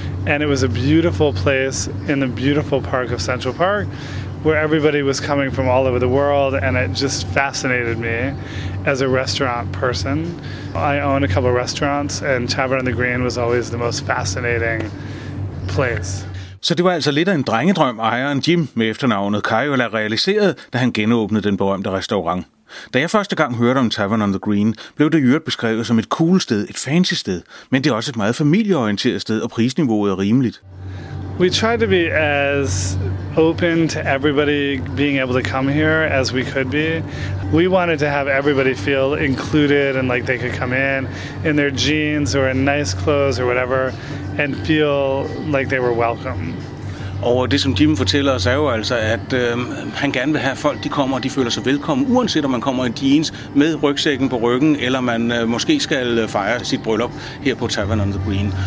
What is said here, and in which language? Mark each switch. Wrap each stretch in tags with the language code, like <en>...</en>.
<en>And it was a beautiful place in the beautiful park of Central Park where everybody was coming from all over the world. And it just fascinated me as a restaurant person. I own a couple of restaurants, and Tavern on the Green was always the most fascinating place.</en> <da>Så det var altså lidt af en drengedrøm, ejeren Jim med efternavnet Kajola realiserede, da han genåbnede den berømte restaurant. Da jeg første gang hørte om Tavern on the Green, blev det i øvrigt beskrevet som et cool sted, et fancy sted, men det er også et meget familieorienteret sted, og prisniveauet er rimeligt.</da> <en>We try to be as open to everybody being able to come here as we could be. We wanted to have everybody feel included and like they could come in their jeans or in nice clothes or whatever and feel like they were welcome.</en> <da>Og det, som Jim fortæller os, er jo altså, at han gerne vil have folk, de kommer, og de føler sig velkommen, uanset om man kommer i jeans med rygsækken på ryggen, eller man måske skal fejre sit bryllup her på Tavern on the Green.</da>